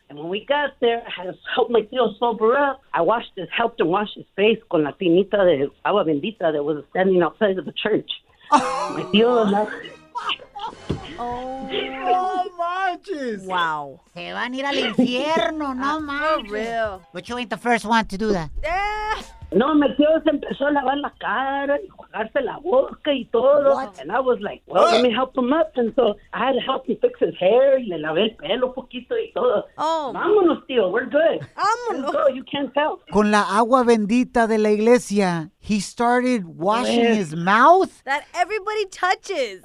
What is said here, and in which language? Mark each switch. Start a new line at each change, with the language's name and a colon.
English: And when we got there, I had to help my tío sober up. I helped him wash his face
Spanish: con la tinita de agua bendita
English: that was standing outside of the church. My tío left. Oh, marches. Wow.
Spanish: Se van a ir al infierno, no mames.
English: But you ain't the first one to do that.
Spanish: No, mi tío se empezó a lavar la cara y jugarse la boca y todo.
English: What? And I was like, well, let me help him up. And so I had to help him fix his hair
Spanish: y le lavé el pelo poquito y todo. Oh. Vámonos, tío,
English: we're good.
Spanish: Vámonos.
English: Let's go, you can't tell.
Spanish: Con la agua bendita de la iglesia,
English: he started washing his mouth. That everybody touches.